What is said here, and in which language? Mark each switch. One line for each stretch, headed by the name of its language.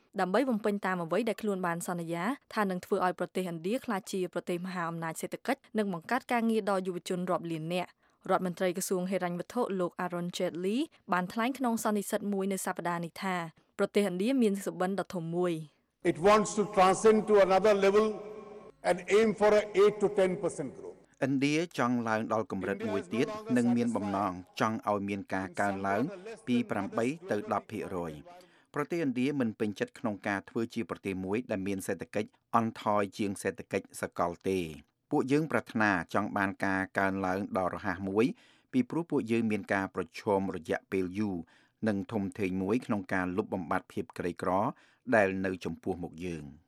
Khmer: ដើម្បីបំពេញតាមអ្វីដែលខ្លួនបានសន្យាថានឹងធ្វើឲ្យប្រទេសឥណ្ឌាក្លាយជាប្រទេសមហាអំណាចសេដ្ឋកិច្ចនិងបង្កើតការងារដល់យុវជនរាប់លាននាក់រដ្ឋមន្ត្រីក្រសួងហិរញ្ញវត្ថុលោក Aaron Jetley បានថ្លែងក្នុងសន្និសីទមួយនៅសប្តាហ៍នេះថាប្រទេសឥណ្ឌាមានសុបិនដ៏ធំមួយ
English: It wants to transcend to another level and aim for a 8 to 10% growth
Khmer: ឥណ្ឌាចង់ឡើងដល់កម្រិតមួយទៀតនិងមានបំណងចង់ឲ្យមានការកើនឡើងពី 8 ទៅ 10% ប្រទេសឥណ្ឌាមិនពេញចិត្តក្នុងការធ្វើជាប្រទេសមួយដែលមានសេដ្ឋកិច្ចអន់ថយជាងសេដ្ឋកិច្ចសកលទេពួកយើងប្រាថ្នាចង់បានការកើនឡើងដល់រហ័សមួយពីព្រោះពួកយើងមានការប្រឈមរយៈពេលយូរនិងធំធេងមួយក្នុងការលុបបំបាត់ភាពក្រីក្រដែលនៅចំពោះមុខយើង